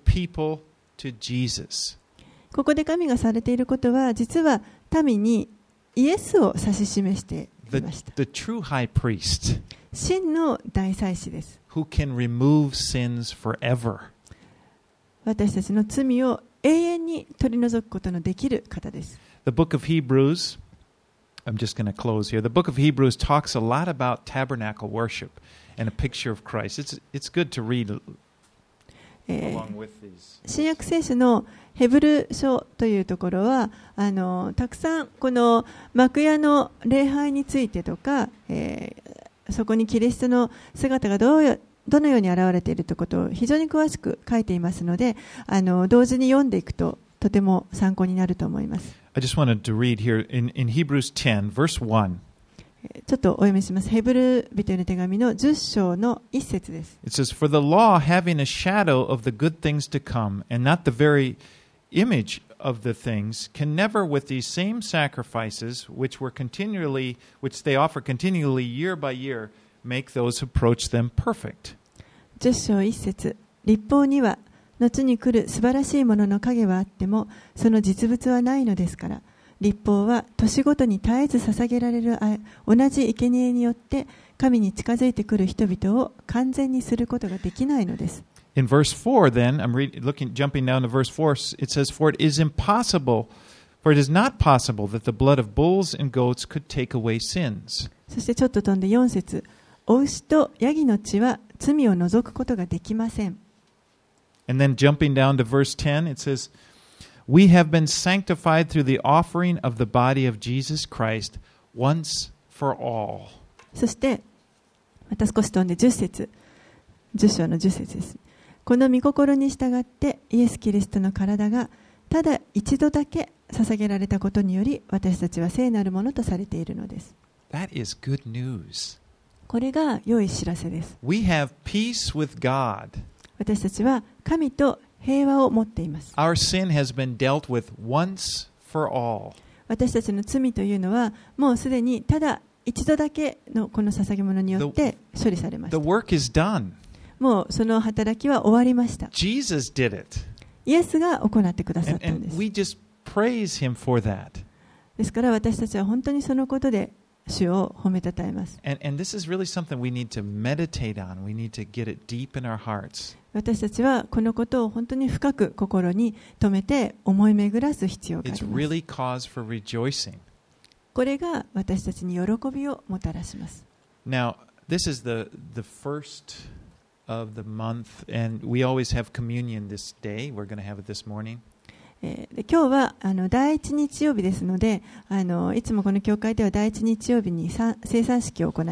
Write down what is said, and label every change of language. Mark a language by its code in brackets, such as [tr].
[ja] ここで神がされていることは実は民にイエスを指し示していました。 [en] The true high priest, [ja] 真の大祭司です。 [en] Who can remove sins forever. [ja] 私たちの罪を永遠に取り除くことのできる方です。 [en] The book of Hebrews. I'm just going to close here. The book of Hebrews talks a lot about tabernacle worship and a picture of Christ. It's good to read along with these. [ja] 新約聖書のヘブル書というところはたくさんこの幕屋の礼拝についてとか、そこにキリストの姿がどのように現れているということを非常に詳しく書いていますので同時に読んでいくととても参考になると思います。 [en] I just wanted to read here in Hebrews 10, verse 1. [ja] ちょっとお読みします。ヘブル人への手紙の10章の1節です。 [en] It says, For the law, having a shadow of the good things to come, and not the very image of the things can never, with these same sacrifices, which they offer continually year by year, make those who approach them perfect. [ja] 十章一節、律法には後に来る素晴らしいものの影はあっても、その実物はないのですから。律法は年ごとに絶えず捧げられる同じ生贄によって神に近づいてくる人々を完全にすることができないのです。 [en] In verse 4 then, I'm jumping down to verse 4, it says, For it is not possible that the blood of bulls and goats could take away sins. [ja] そしてちょっと飛んで4節、お牛とヤギの血は罪を除くことができません。 [en] And then jumping down to verse 10, it says, We have been sanctified through the offering of the body of Jesus Christ once for all. [ja] そしてまた少し飛んで10節、10章の10節です。この御心に従ってイエス・キリストの体がただ一度だけ捧げられたことにより私たちは聖なるものとされているのです。 [en] That is good news. [ja] これが良い知らせです。 [en] We have peace with God. [ja] 私たちは神と平和を持っています。 [en] Our sin has been dealt with once for all. [ja] 私たちの罪というのはもうすでにただ一度だけのこの捧げ物によって処理されました。 [en] The work is done. [ja] もうその働きは終わりました。 [en] Jesus did it. [ja] イエスが行ってくださったんです。 [en] And we just praise him for that. [ja] ですから私たちは本当にそのことで主を褒めたたえます。 [en] And this is really something we need to meditate on. We need to get it deep in our hearts. [ja] 私たちはこのことを本当に深く心に留めて思い巡らす必要があります。 [en] It's really cause for rejoicing. [ja] これが私たちに喜びをもたらします。 [en] Now, this is the firstof the month and we always have communion this day we're going to have it this morning. [ja] 今日は第一日曜日ですので、いつもこの教会では第一日曜日に聖餐式を行います。